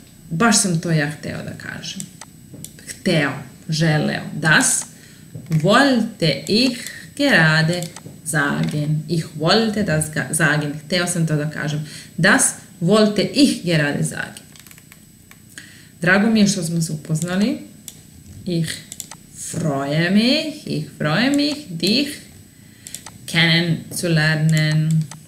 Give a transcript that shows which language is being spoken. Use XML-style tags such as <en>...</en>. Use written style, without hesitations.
<sr>Baš sam to ja hteo da kažem. Hteo, želeo.</sr> <de>Das wollte ich gerade sagen. Ich wollte das sagen.</de> <sr>Hteo sam to da kažem.</sr> <de>Das wollte ich gerade sagen.</de> <sr>Drago mi je što smo se upoznali.</sr> <de>Ich freue mich. Ich freue mich dich kennenzulernen.</de>